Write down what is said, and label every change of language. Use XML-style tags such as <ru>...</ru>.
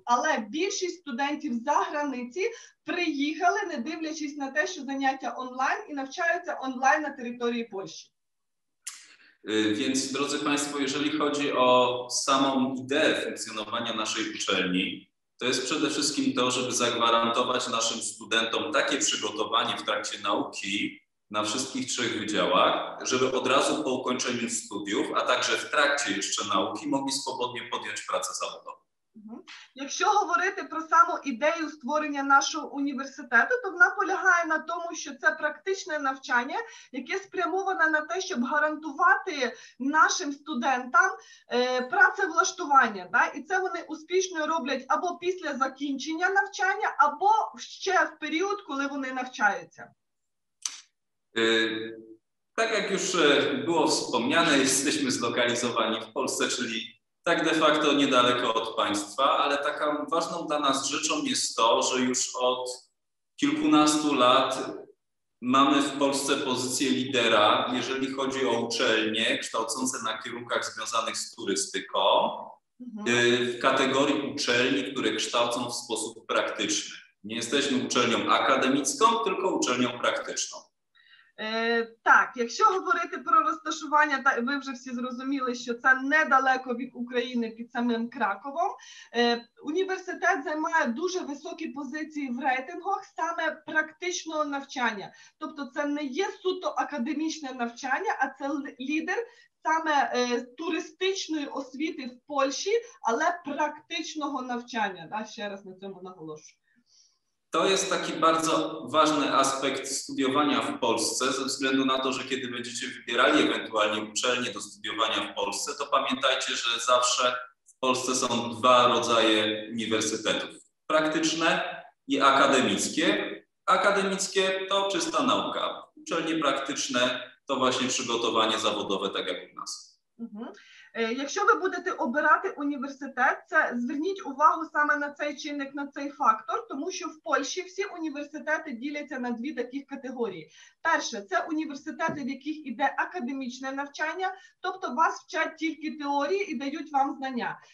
<uk>Але більшість студентів за границі приїхали, не дивлячись на те, що заняття онлайн, і навчаються онлайн на території Польщі.</uk> <pl>Więc, drodzy Państwo, jeżeli chodzi o samą ideę funkcjonowania naszej uczelni, to jest przede wszystkim to, żeby zagwarantować naszym studentom takie przygotowanie w trakcie nauki na wszystkich trzech wydziałach, żeby od razu po ukończeniu studiów, a także w trakcie jeszcze nauki, mogli swobodnie podjąć pracę zawodową.</pl> <uk>Якщо говорити про саму ідею створення нашого університету, то вона полягає на тому, що це практичне навчання, яке спрямоване на те, щоб гарантувати нашим студентам працевлаштування. Да? І це вони успішно роблять або після закінчення навчання, або ще в період, коли вони навчаються. Так як вже було вспомняно, ми зокалізовані в Польщі, чи</uk> <pl>Tak de facto niedaleko od państwa, ale taką ważną dla nas rzeczą jest to, że już od kilkunastu lat mamy w Polsce pozycję lidera, jeżeli chodzi o uczelnie kształcące na kierunkach związanych z turystyką, w kategorii uczelni, które kształcą w sposób praktyczny. Nie jesteśmy uczelnią akademicką, tylko uczelnią praktyczną.</pl> <uk>Так, якщо говорити про розташування, та ви вже всі зрозуміли, що це недалеко від України під самим Краковом. Університет займає дуже високі позиції в рейтингах саме практичного навчання. Тобто це не є суто академічне навчання, а це лідер саме туристичної освіти в Польщі, але практичного навчання. Так, ще раз на цьому наголошую.</uk> <pl>To jest taki bardzo ważny aspekt studiowania w Polsce, ze względu na to, że kiedy będziecie wybierali ewentualnie uczelnie do studiowania w Polsce, to pamiętajcie, że zawsze w Polsce są dwa rodzaje uniwersytetów. Praktyczne i akademickie. Akademickie to czysta nauka. Uczelnie praktyczne to właśnie przygotowanie zawodowe, tak jak u nas.</pl> <uk>Якщо ви будете обирати університет, це зверніть увагу саме на цей чинник, на цей фактор, тому що в Польщі всі університети діляться на дві таких категорії. Перше, це університети, в яких іде академічне навчання, тобто вас вчать тільки теорії і дають вам знання.</uk>